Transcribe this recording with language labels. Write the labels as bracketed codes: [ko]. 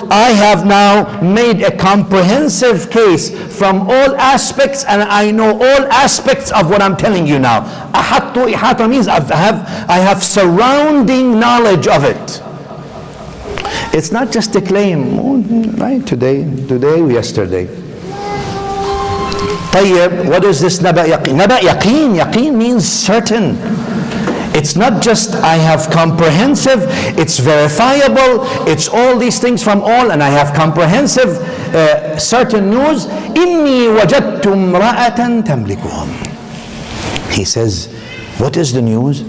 [en] I have now made a comprehensive case from all aspects, and I know all aspects of what I'm telling you now. [ar] أَحَطُّ إِحَاطَ [en] means I have surrounding knowledge of it. It's not just a claim, right? Today, yesterday. طيب, what is this نبأ يقين? [ar] نبأ يقين, يقين [en] means certain. It's not just I have comprehensive, it's verifiable, it's all these things from all, and I have comprehensive, certain news. [ar] إني وجدت امرأة تملكهم. [en] He says, what is the news?